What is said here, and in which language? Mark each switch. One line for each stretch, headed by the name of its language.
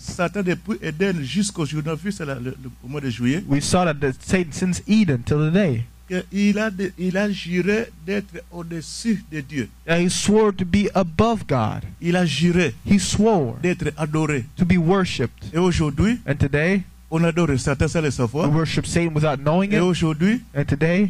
French: Satan depuis Eden jusqu'au jour de vie, c'est le mois de juillet.
English: We saw that Satan since Eden till today.
French: Il a juré d'être au-dessus de Dieu.
English: And he swore to be above God.
French: Il a juré.
English: He swore
French: d'être adoré.
English: To be worshipped.
French: Et aujourd'hui.
English: And today.
French: On adore Satan sans le savoir.
English: We worship Satan without knowing it.
French: Et aujourd'hui,
English: and today,